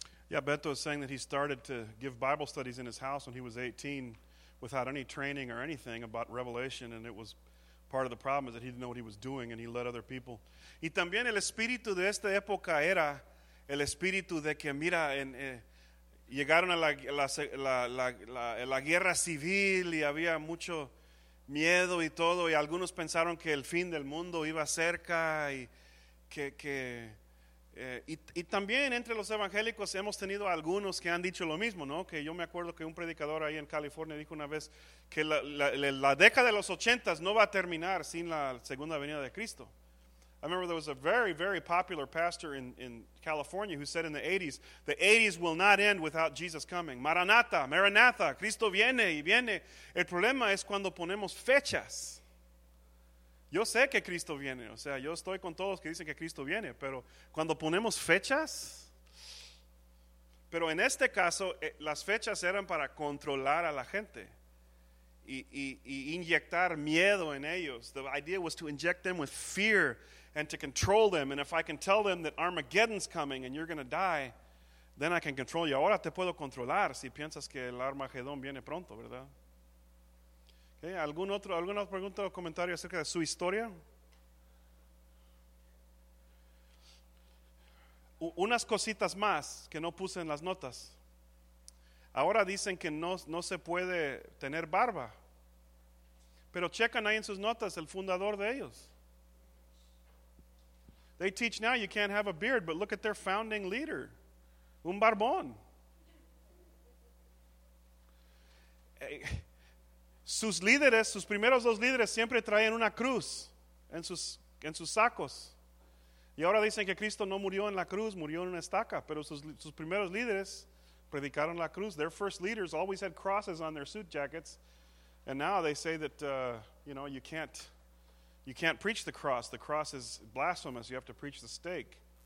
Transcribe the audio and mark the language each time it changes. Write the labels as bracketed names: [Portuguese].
[English] Yeah, Beto is saying that he started to give Bible studies in his house when he was 18 without any training or anything about Revelation, and it was part of the problem is that he didn't know what he was doing and he led other people. [Spanish] Y también el espíritu de esta época era el espíritu de que mira, llegaron a la guerra civil y había mucho miedo y todo, y algunos pensaron que el fin del mundo iba cerca y que y también entre los evangélicos hemos tenido algunos que han dicho lo mismo, ¿no? Que yo me acuerdo que un predicador ahí en California dijo una vez que la década de los 80s no va a terminar sin la segunda venida de Cristo. [English] I remember there was a very, very popular pastor in California who said in the 80s will not end without Jesus coming. [Spanish] Maranatha, Maranatha, Cristo viene y viene. El problema es cuando ponemos fechas. Yo sé que Cristo viene, o sea, yo estoy con todos que dicen que Cristo viene, pero cuando ponemos fechas, pero en este caso las fechas eran para controlar a la gente y inyectar miedo en ellos. [English] The idea was to inject them with fear and to control them, and if I can tell them that Armageddon's coming and you're going to die, then I can control you. [Spanish] Ahora te puedo controlar si piensas que el Armagedón viene pronto, ¿verdad? Okay, ¿Alguna otra pregunta o comentario acerca de su historia? Unas cositas más que no puse en las notas. Ahora dicen que no se puede tener barba. Pero checan ahí en sus notas el fundador de ellos. [English] They teach now you can't have a beard, but look at their founding leader. [Spanish] Un barbón. Hey. Sus líderes, sus primeros dos líderes siempre traían una cruz en sus sacos. Y ahora dicen que Cristo no murió en la cruz, murió en una estaca. Pero sus primeros líderes predicaron la cruz. [English] Their first leaders always had crosses on their suit jackets. And now they say that, you can't preach the cross. The cross is blasphemous. You have to preach the stake.